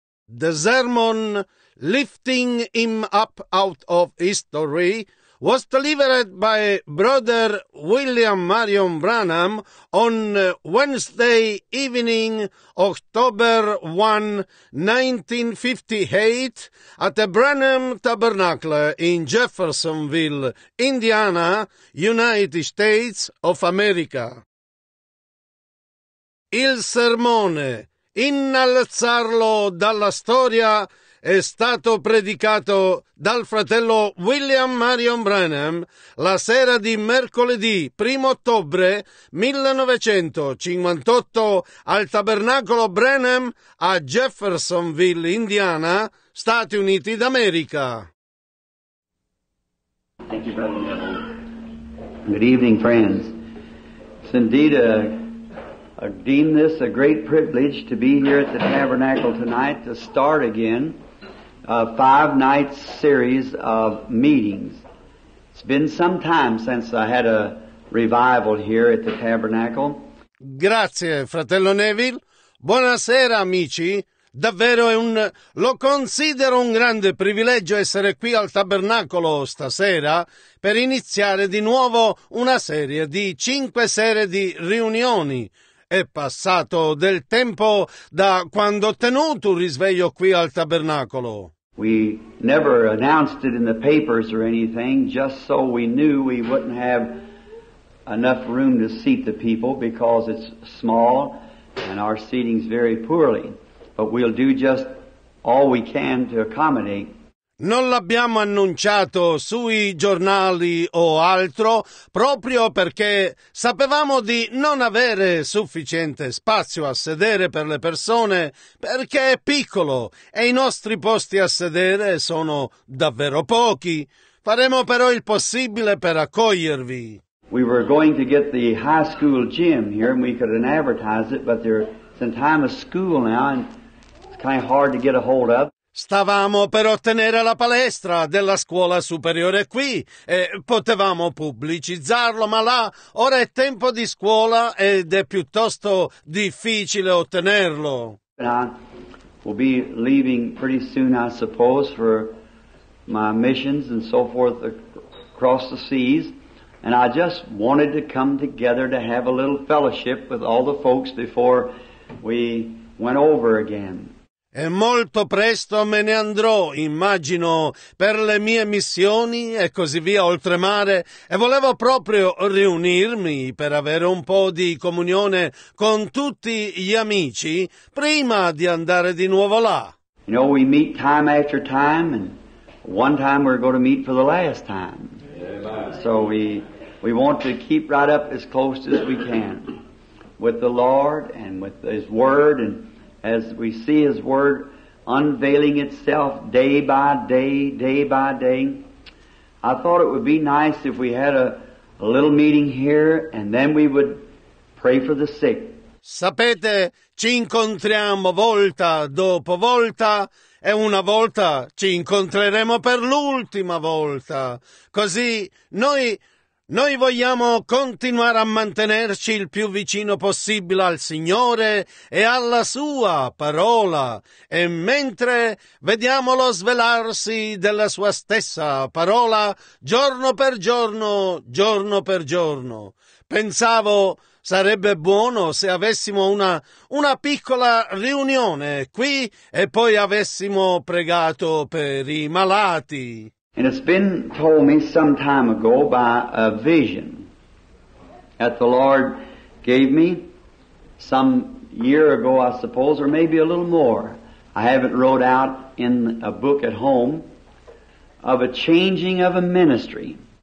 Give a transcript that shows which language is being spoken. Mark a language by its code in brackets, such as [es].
[en] The sermon, Lifting Him Up Out of History, was delivered by Brother William Marion Branham on Wednesday evening, October 1, 1958, at the Branham Tabernacle in Jeffersonville, Indiana, United States of America. [it] Il sermone Innalzarlo dalla storia è stato predicato dal fratello William Marion Branham la sera di mercoledì 1 ottobre 1958 al tabernacolo Branham a Jeffersonville, Indiana, Stati Uniti d'America. [en] Thank you, brother. Good evening, friends. It's indeed I deem this a great privilege to be here at the tabernacle tonight to start again a five-night series of meetings. It's been some time since I had a revival here at the tabernacle. [it] Grazie, fratello Neville. Buonasera, amici. Davvero lo considero un grande privilegio essere qui al tabernacolo stasera per iniziare di nuovo una serie di cinque serie di riunioni. È passato del tempo da quando ho tenuto un risveglio qui al tabernacolo. [en] We never announced it in the papers or anything, just so we knew we wouldn't have enough room to seat the people because it's small and our seating's very poorly. But we'll do just all we can to accommodate. [it] Non l'abbiamo annunciato sui giornali o altro proprio perché sapevamo di non avere sufficiente spazio a sedere per le persone perché è piccolo e i nostri posti a sedere sono davvero pochi. Faremo però il possibile per accogliervi. [en] We were going to get the high school gym here and we could advertise it, but there's in time of school now and it's kind of hard to get a hold of. [it] Stavamo per ottenere la palestra della scuola superiore qui e potevamo pubblicizzarlo, ma là ora è tempo di scuola ed è piuttosto difficile ottenerlo. [en] We'll be leaving pretty soon, I suppose, for my missions and so forth across the seas, and I just wanted to come together to have a little fellowship with all the folks before we went over again. [it] E molto presto me ne andrò, immagino, per le mie missioni e così via oltremare, e volevo proprio riunirmi per avere un po' di comunione con tutti gli amici prima di andare di nuovo là. [en] You know, we meet time after time, and one time we're going to meet for the last time. So we want to keep right up as close as we can with the Lord and with His Word and as we see His Word unveiling itself day by day, day by day. I thought it would be nice if we had a little meeting here and then we would pray for the sick. [it] Sapete, ci incontriamo volta dopo volta e una volta ci incontreremo per l'ultima volta. Così noi vogliamo continuare a mantenerci il più vicino possibile al Signore e alla Sua parola, e mentre vediamolo svelarsi della Sua stessa parola, giorno per giorno, giorno per giorno. Pensavo sarebbe buono se avessimo una piccola riunione qui e poi avessimo pregato per i malati. [en] And it's been told me some time ago by a vision that the Lord gave me some year ago, I suppose, or maybe a little more. I have it wrote out in a book at home of a changing of a ministry.